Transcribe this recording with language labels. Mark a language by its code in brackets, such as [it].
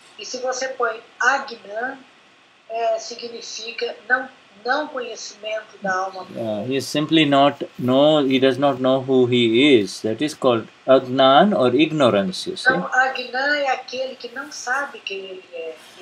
[pt] E se você põe Agnan, significa não conhecimento da alma pura. [en] Yeah, he is simply not know, he does not know who he is. That is called Agnan or ignorance, you see. [pt] Então, Agnan é aquele que não sabe quem ele é.